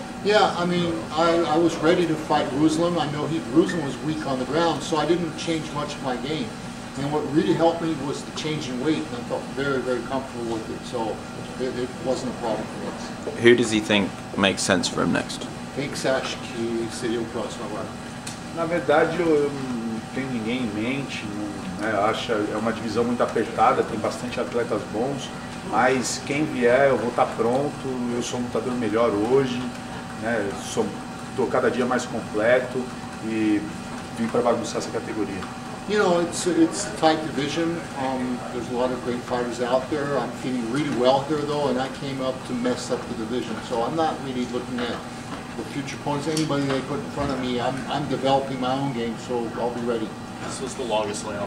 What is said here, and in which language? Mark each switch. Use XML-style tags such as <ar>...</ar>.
<en>I was ready to fight Ruslan. I know Ruslan was weak on the ground, so I didn't change much of my game. And what really helped me was the change in weight, and I felt very, very comfortable with it. So it wasn't a problem for us. Who does he think makes sense for him next?</en> <pt>Hicks, acho que seria o próximo agora. Na verdade, eu não tenho ninguém em mente. Eu acho que é uma divisão muito apertada, tem bastante atletas bons. Mas quem vier, eu vou estar pronto. Eu sou um lutador melhor hoje. Estou cada dia mais completo e vim para bagunçar essa categoria.</pt> <en>You know, it's a tight division. There's a lot of great fighters out there. I'm feeling really well here, though, and I came up to mess up the division. So I'm not really looking at the future points. Anybody they put in front of me, I'm developing my own game, so I'll be ready. This was the longest layoff.</en>